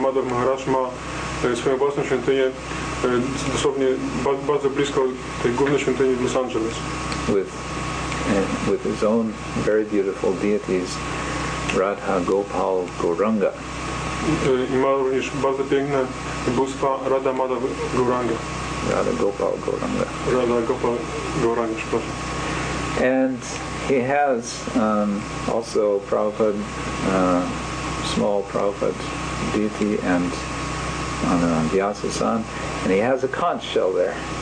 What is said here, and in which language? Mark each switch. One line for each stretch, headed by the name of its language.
Polish: Madhav Maharaj ma swoją własną świątynię dosłownie bardzo blisko tej głównej świątyni w Los Angeles.
English: With his own very beautiful deities, Radha Gopal Gauranga.
Polish: I ma również bardzo piękne bóstwa Radha Madhav Gauranga.
English: Radha Gopal Gauranga.
Polish: Radha Gopal Gauranga, proszę.
English: And he has also Prabhupada, small Prabhupada deity and Vyasa San, and he has a conch shell there.